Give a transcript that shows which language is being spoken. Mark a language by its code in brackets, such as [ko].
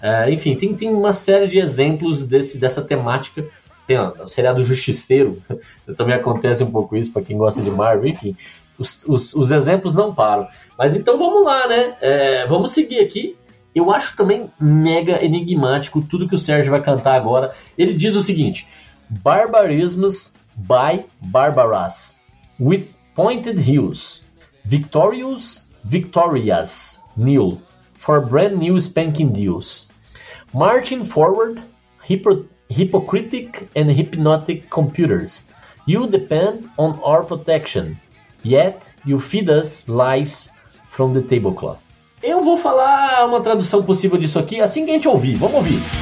[pt] Enfim, tem uma série de exemplos dessa temática. Tem o seriado Justiceiro, também acontece um pouco isso para quem gosta de Marvel, enfim. Os exemplos não param. Mas então vamos lá, né? Vamos seguir aqui. Eu acho também mega enigmático tudo que o Sérgio vai cantar agora. Ele diz o seguinte: [en] Barbarisms by Barbaras, with pointed heels, victorious, victorious, new, for brand new spanking deals, marching forward, hypocritic and hypnotic computers, you depend on our protection, yet you feed us lies from the tablecloth. [pt] Eu vou falar uma tradução possível disso aqui assim que a gente ouvir. Vamos ouvir.